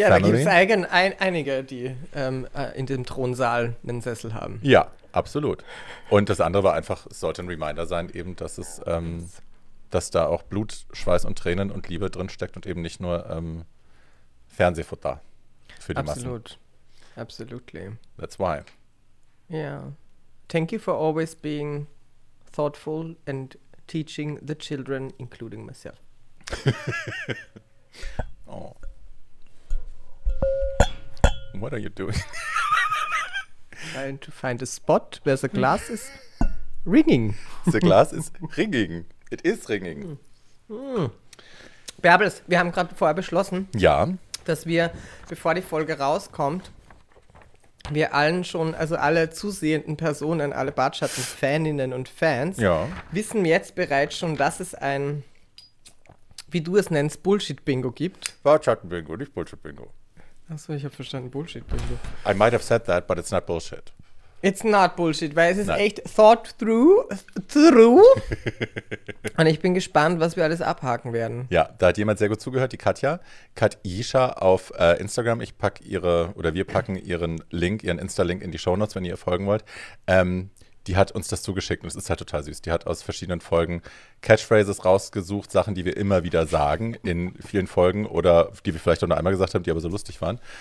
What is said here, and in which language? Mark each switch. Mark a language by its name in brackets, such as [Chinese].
[German] Ja, da gibt es einige, die in dem Thronsaal einen Sessel haben. Ja, absolut. Und das andere war einfach, es sollte ein Reminder sein, eben, dass es, dass da auch Blut, Schweiß und Tränen und Liebe drin steckt und eben nicht nur Fernsehfutter für die Massen. Absolut. Absolutely. [English] That's why. Yeah. Thank you for always being thoughtful and teaching the children, including myself. Oh. What are you doing? Trying to find a spot where the glass is ringing. The glass is ringing. It is ringing. Mm. [German] Bärbels, wir haben gerade vorher beschlossen, dass wir, bevor die Folge rauskommt, wir allen schon, also alle zusehenden Personen, alle Bartschatten-Faninnen und Fans, wissen jetzt bereits schon, dass es ein, wie du es nennst, Bullshit-Bingo gibt. Bartschatten-Bingo, nicht Bullshit-Bingo. Achso, ich habe verstanden, Bullshit-Bingo. [English] I might have said that, but it's not Bullshit. It's not Bullshit, [German] weil es ist echt [English] thought through, through. [German] Und ich bin gespannt, was wir alles abhaken werden. Ja, da hat jemand sehr gut zugehört, die Katja. Katisha auf Instagram. Ich packe ihre, oder wir packen ihren Link, ihren Insta-Link in die Shownotes, wenn ihr folgen wollt. Die hat uns das zugeschickt und es ist halt total süß. Die hat aus verschiedenen Folgen Catchphrases rausgesucht, Sachen, die wir immer wieder sagen in vielen Folgen oder die wir vielleicht auch nur einmal gesagt haben, die aber so lustig waren.